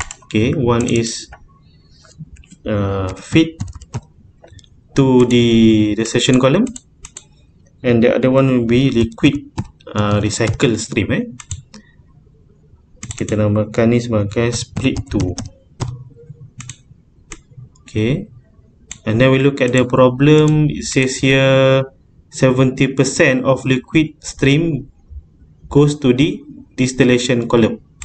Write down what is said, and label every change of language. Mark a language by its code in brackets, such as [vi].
[en] Okay, one is feed to the session column, and the other one will be liquid recycle stream. [ms] Eh, kita namakan ni sebagai split two. [en] Okay, and then we look at the problem. It says here 70% of liquid stream goes to the distillation column.